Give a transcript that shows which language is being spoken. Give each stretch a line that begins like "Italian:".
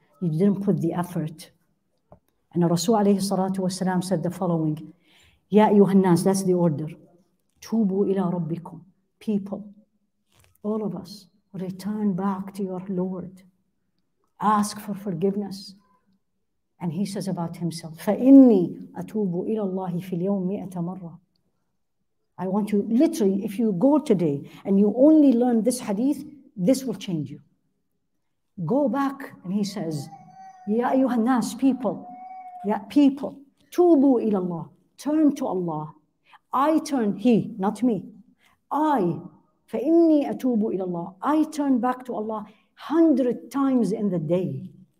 English: You didn't put the effort. And Rasul alayhi salatu wasalam said the following,
Arabic: Ya ayyuha an-nas,
English: that's the order.
Arabic: Tubu ila rabbikum,
English: people, all of us, return back to your Lord. Ask for forgiveness.
Arabic: And he says about himself, فَإِنِّي أَتُوبُ إِلَى اللَّهِ فِي الْيَوْمِ مِئَةَ مَرَّةِ.
English: I want you, literally, if you go today and you only learn this hadith, this will change you. Go back, and he says,
Arabic: يَا أَيُّهَا النَّاسِ,
English: people, يَا people,
Arabic: تُوبُوا إِلَى اللَّهِ,
English: turn to Allah. I turn, he, not me, I,
Arabic: فَإِنِّي أَتُوبُ إِلَى اللَّهِ,
English: I turn back to Allah 100 times in the day.